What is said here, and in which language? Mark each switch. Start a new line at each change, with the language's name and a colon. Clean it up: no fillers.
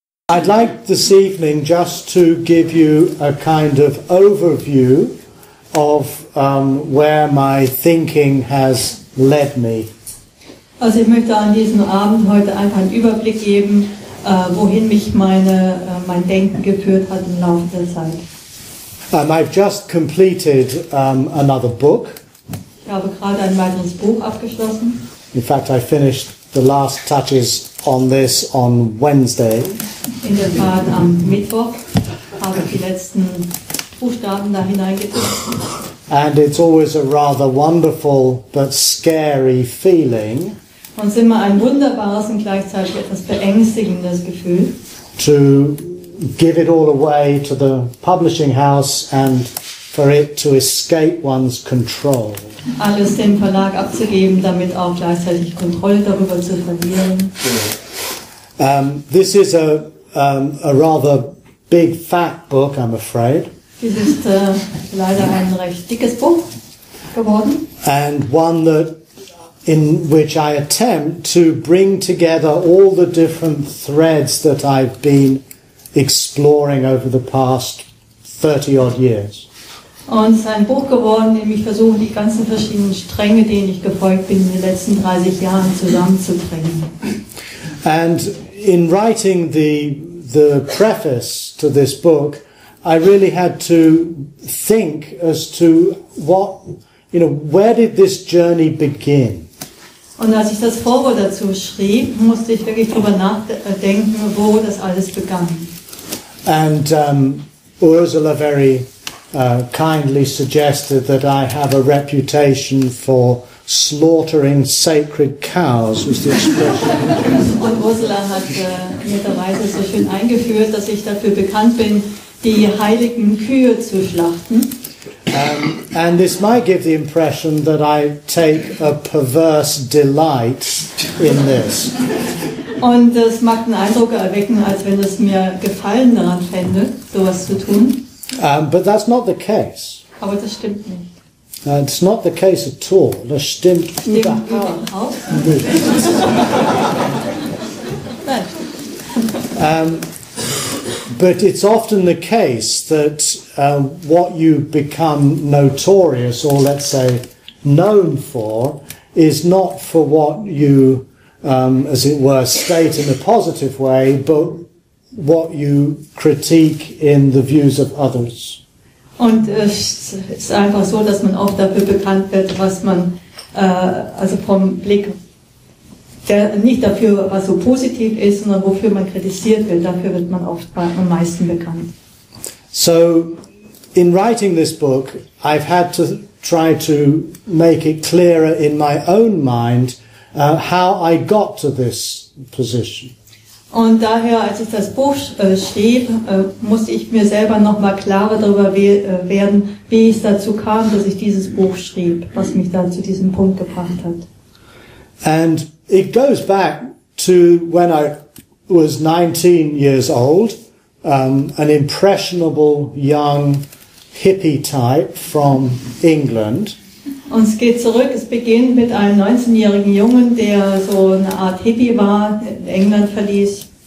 English: I'd like this evening just to give you a kind of overview of where my thinking has led me.
German: Also ich möchte an diesem Abend heute einfach einen Überblick geben, wohin mich mein Denken geführt hat im Laufe der Zeit.
English: I've just completed another book.
German: Ich habe gerade ein weiteres Buch abgeschlossen.
English: In fact, I finished the last touches on this on Wednesday.
German: In der Tat, am Mittwoch habe ich die letzten Buchstaben da hineingetippt.
English: And it's always a rather wonderful but scary feeling.
German: Und es ist immer ein wunderbares und gleichzeitig etwas beängstigendes Gefühl.
English: To give it all away to the publishing house and for it to escape one's control.
German: Alles dem Verlag abzugeben, damit auch gleichzeitig Kontrolle darüber zu verlieren.
English: This is a rather big fat book, I'm afraid.
German: Dies ist leider ein recht dickes Buch geworden.
English: And one that in which I attempt to bring together all the different threads that I've been exploring over the past 30-odd years.
German: Und es ist ein Buch geworden, in dem ich versuche, die ganzen verschiedenen Stränge, denen ich gefolgt bin, in den letzten 30 Jahren zusammenzubringen.
English: And in writing the preface to this book, I really had to think as to what, you know, where did this journey begin?
German: Und als ich das Vorwort dazu schrieb, musste ich wirklich drüber nachdenken, wo das alles begann.
English: And Ursula very kindly suggested that I have a reputation for slaughtering sacred cows, was the expression.
German: Und Ursula hat netterweise so schön eingeführt, dass ich dafür bekannt bin, die heiligen Kühe zu schlachten.
English: And this might give the impression that I take a perverse delight in this.
German: Und es mag den Eindruck erwecken, als wenn es mir Gefallen daran fände, sowas zu tun.
English: But that's not the case.
German: Aber das stimmt nicht.
English: It's not the case at all.
German: Das stimmt überhaupt nicht. Nein.
English: But it's often the case that what you become notorious, or let's say known for, is not for what you, as it were, state in a positive way, but what you critique in the views of others.
German: Und es ist einfach so, dass man oft dafür bekannt wird, was man, also vom Blick, nicht dafür, was so positiv ist, sondern wofür man kritisiert wird, dafür wird man oft am meisten bekannt.
English: So, in writing this book, I've had to try to make it clearer in my own mind, how I got to this position.
German: Und daher, als ich das Buch schrieb, musste ich mir selber nochmal klarer darüber werden, wie es dazu kam, dass ich dieses Buch schrieb, was mich da zu diesem Punkt gebracht hat.
English: And it goes back to when I was 19 years old, an impressionable young hippie type from England.
German: Und es geht zurück, es beginnt mit einem 19-jährigen Jungen, der so eine Art Hippie war, in England verließ.